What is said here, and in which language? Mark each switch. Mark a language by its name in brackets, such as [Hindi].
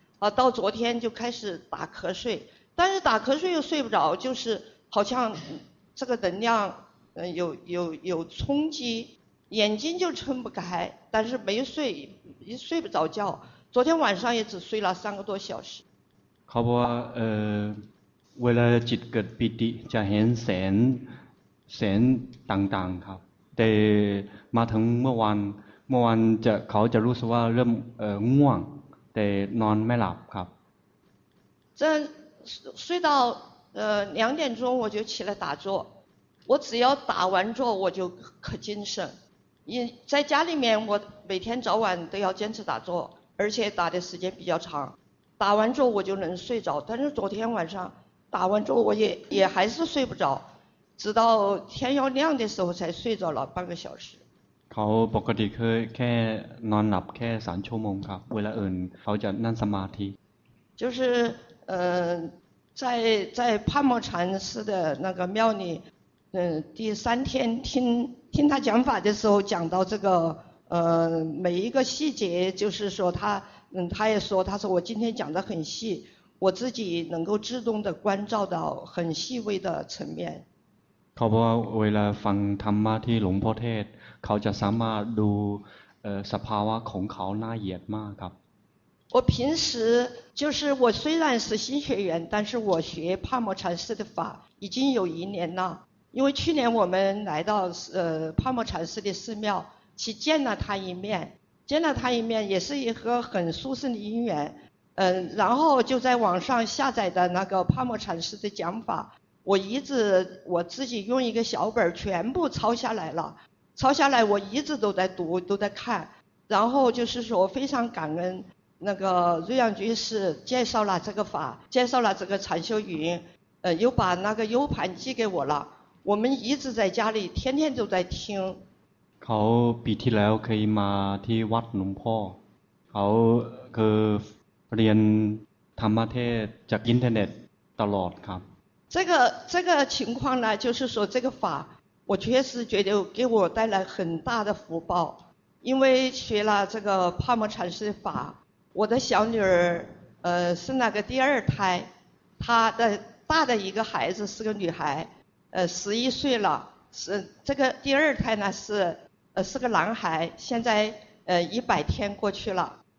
[Chinese] 啊，到昨天就开始打瞌睡，但是打瞌睡又睡不着，就是好像这个能量有冲击，眼睛就撑不开，但是没睡，一睡不着觉。昨天晚上也只睡了三个多小时。 [Thai] เขาบอกว่าเวลาจิตเกิดปิติจะเห็นแสงต่างๆครับแต่มาถึงเมื่อวานจะเขาจะรู้สึกว่าเริ่มง่วงแต่นอนไม่หลับครับ [Chinese] 这睡到两点钟我就起来打坐，我只要打完坐我就可精神。因在家里面我每天早晚都要坚持打坐，而且打的时间比较长，打完坐我就能睡着。但是昨天晚上打完坐我也还是睡不着，直到天要亮的时候才睡着了半个小时。 [Thai] เขาปกติเคยแค่นอนหลับแค่สามชั่วโมงครับเวลาอื่นเขาจะนั่งสมาธิ [Chinese] 就是在帕默禅师的那个庙里第三天听他讲法的时候讲到这个每一个细节就是说他说我今天讲得很细我自己能够自动的关照到很细微的层面 [Thai] เขาบอกเวลาฟังธรรมะที่หลวงพ่อเทศเขาจะสามารถดูสภาวะของเขาน่าเหยียดมากครับ [Chinese] 我平时就是我虽然是新学员但是我学帕默禅师的法已经有一年了因为去年我们来到帕默禅师的寺庙去见了他一面，见了他一面也是一个很殊胜的因缘。然后就在网上下载的那个帕默禅师的讲法，我一直我自己用一个小本全部抄下来了，抄下来我一直都在读都在看。然后就是说非常感恩那个瑞阳居士介绍了这个法，介绍了这个禅修云，又把那个 U 盘寄给我了，我们一直在家里天天都在听。 [Thai] เขาปีที่แล้วเคยมาที่วัดหลวงพ่อเขาคือเรียนธรรมเทศจากอินเทอร์เน็ตตลอดครับ [Chinese] 这个情况呢就是说这个法我确实觉得给我带来很大的福报，因为学了这个帕默禅师法，我的小女儿生了个第二胎，她的大的一个孩子是个女孩，11岁了，是这个第二胎呢是个男孩，现在100天过去了。